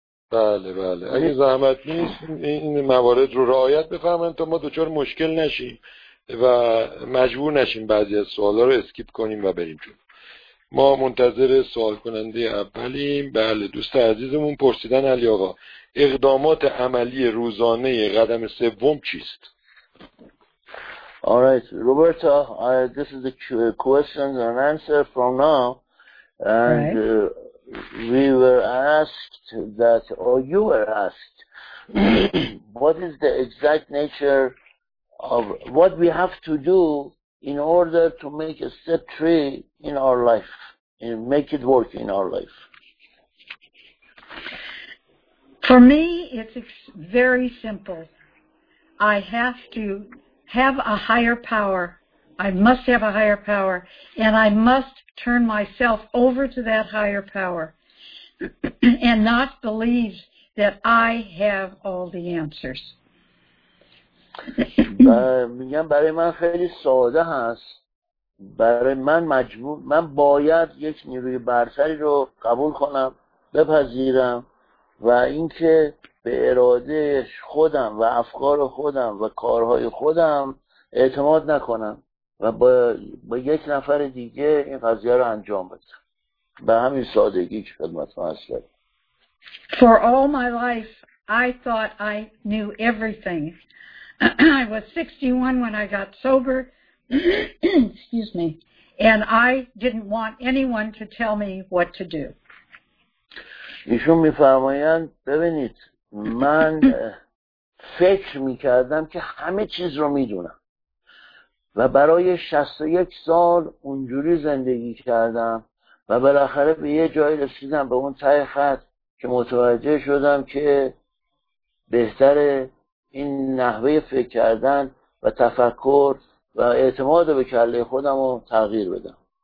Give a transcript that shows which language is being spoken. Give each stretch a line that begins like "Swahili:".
Persian: بله اگه زحمت نیست این موارد رو رعایت بفرمایید تا ما دچار مشکل نشیم و مجبور نشیم بعضی از سوالا رو اسکیپ کنیم و بریم جلو. ما منتظر سوال کننده اولیم. بله دوست عزیزمون پرسیدن علی آقا اقدامات عملی روزانه قدم سوم چیست؟
English: All right, Roberta, this is the questions and answer from now. And we were asked that, or you were asked, what is the exact nature of what we have to do in order to make a step three in our life, and make it work in our life. For me, it's very simple. I have to have a higher power. I must have a higher power, and I must turn myself over to that higher power and not believe that I have all the answers.
Persian: میگم برای من خیلی ساده هست. برای من مجبور، من باید یک نیروی برتری رو قبول کنم، بپذیرم و اینکه به اراده خودم و افکار خودم و کارهای خودم اعتماد نکنم و با یک نفر دیگه این قضیه رو انجام بدم. به همین سادگی که خدمت ما هست.
English: For all my life I thought I knew everything. I was 61 when I got sober, excuse me, and I didn't want anyone to tell me what to do.
Persian: ایشون میفرمایند ببینید من فکر میکردم که همه چیز رو میدونم و برای 61 سال اونجوری زندگی کردم و بالاخره به یه جایی رسیدم به اون ته خط که متوجه شدم که بهتره این نحوه فکر کردن و تفکر و اعتماد به کله خودم رو تغییر بدم.